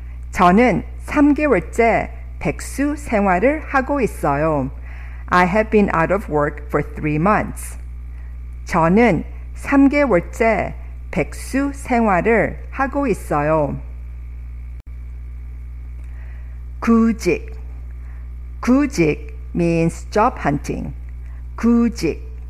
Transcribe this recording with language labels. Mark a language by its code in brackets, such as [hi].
[ko] 저는 3개월째 백수 생활을 하고 있어요. [en] I have been out of work for 3 months. [ko] 저는 3개월째 백수 생활을 하고 있어요. [en] 구직. 구직 means job hunting. 구직.